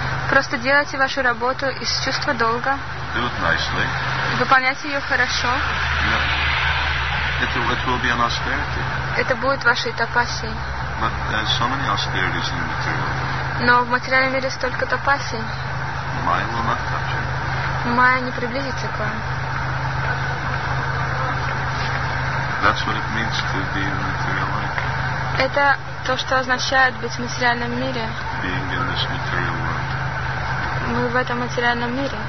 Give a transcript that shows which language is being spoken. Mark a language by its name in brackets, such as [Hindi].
[Russian] Просто делайте вашу работу из чувства долга. [English] Do it nicely. [Russian] Выполняйте ее хорошо. [English] It will be an austerity. [Russian] Это будет вашей тапасей. [English] But there's so many austerities in the material world. [Russian] Но в материальном мире столько тапасий. [English] Майя will not touch it. [Russian] Майя не приблизится к вам. [English] That's what it means to be in material life. [Russian] Это то, что означает быть в материальном мире. [English] Being in this material world. [Russian] Мы в этом материальном мире.